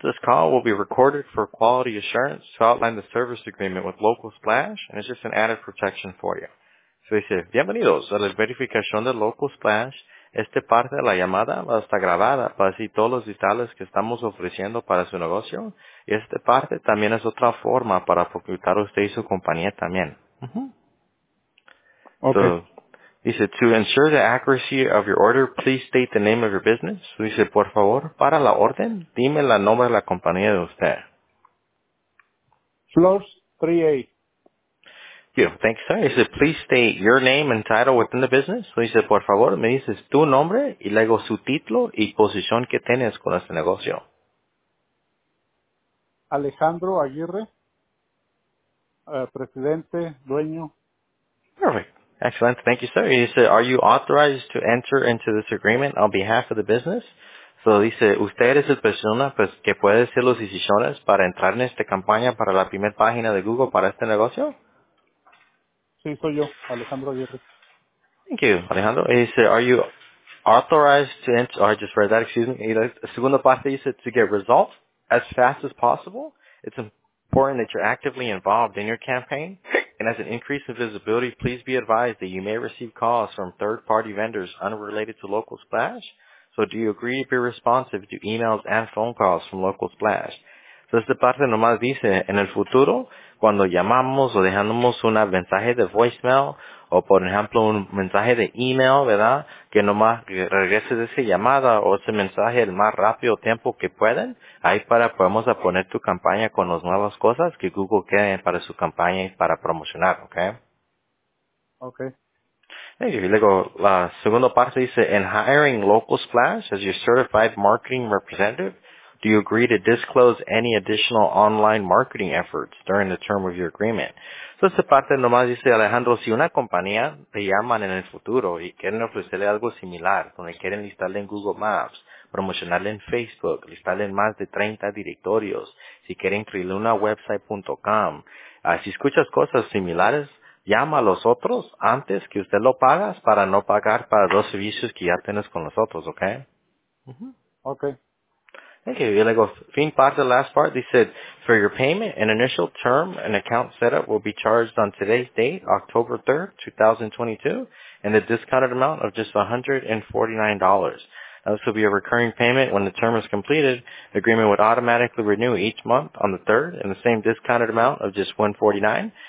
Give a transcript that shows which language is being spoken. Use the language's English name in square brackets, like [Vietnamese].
[English] This call will be recorded for quality assurance to outline the service agreement with Local Splash, and it's just an added protection for you. So, [Spanish] dice, bienvenidos a la verificación de Local Splash. esta parte de la llamada va a estar grabada para así todos los detalles que estamos ofreciendo para su negocio. Y esta parte también es otra forma para facilitar a usted y su compañía también. Uh-huh. Okay. Dice, [English] to ensure the accuracy of your order, please state the name of your business. [Spanish] Dice, por favor, para la orden, dime el nombre de la compañía de usted. Flores 3A. [English] You, thank you, sir. He said, please state your name and title within the business. So he said, [Spanish] por favor, me dices tu nombre y luego su título y posición que tienes con este negocio. Alejandro Aguirre, presidente, dueño. [English] Perfect. Excellent. Thank you, sir. He said, are you authorized to enter into this agreement on behalf of the business? So he said, [Spanish] usted es la persona pues, que puede hacer las decisiones para entrar en esta campaña para la primera página de Google para este negocio. Sí, soy yo, Alejandro Aguirre. [English] Thank you, Alejandro. He said, are you authorized to enter, or I just read that, excuse me. [Spanish] La segunda parte dice, [English] to get results as fast as possible, it's important that you're actively involved in your campaign. And as an increase in visibility, please be advised that you may receive calls from third-party vendors unrelated to Local Splash. So do you agree to be responsive to emails and phone calls from Local Splash? [Spanish] So esta parte nomás dice, en el futuro, cuando llamamos o dejamos un mensaje de voicemail o, por ejemplo, un mensaje de email, ¿verdad? Que nomás regrese de esa llamada o ese mensaje el más rápido tiempo que pueden. Ahí para podemos poner tu campaña con las nuevas cosas que Google quiere para su campaña y para promocionar, ¿ok? Ok. Y luego la segunda parte dice, [English] in hiring Local Splash as your certified marketing representative, do you agree to disclose any additional online marketing efforts during the term of your agreement? [Spanish] So, esta parte nomás dice, Alejandro, si una compañía te llaman en el futuro y quieren ofrecerle algo similar, donde quieren listarle en Google Maps, promocionarle en Facebook, listarle en más de 30 directorios, si quieren crearle una website.com, si escuchas cosas similares, llama a los otros antes que usted lo pagas para no pagar para los servicios que ya tienes con los otros, ¿ok? Uh-huh. Okay. [English] Thank you. [Spanish] Y luego, [English] fin part, the last part, they said, for your payment, an initial term and account setup will be charged on today's date, October 3rd, 2022, and the discounted amount of just $149. Now, this will be a recurring payment. When the term is completed, the agreement would automatically renew each month on the 3rd in the same discounted amount of just $149.